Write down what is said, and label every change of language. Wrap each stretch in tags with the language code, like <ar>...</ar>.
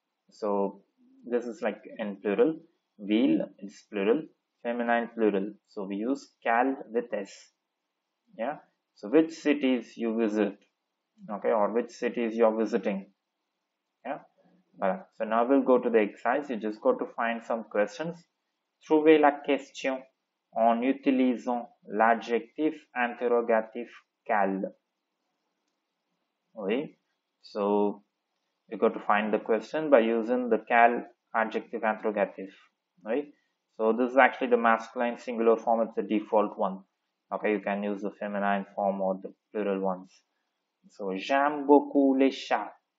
<en>So this is like in plural, will is plural, feminine plural, so we use cal with s. Yeah, so which cities you visit, okay, or which cities you are visiting. Yeah, all right, so now we'll go to the exercise. You just got to find some questions.</en> <fr>Trouvez la question en utilisant l'adjectif interrogatif cal.</fr> <en>Oui, so you got to find the question by using the cal adjective interrogative. Oui, so this is actually the masculine singular form, it's the default one. Okay, you can use the feminine form or the plural ones. So</en> <fr>j'aime beaucoup les chats.</fr>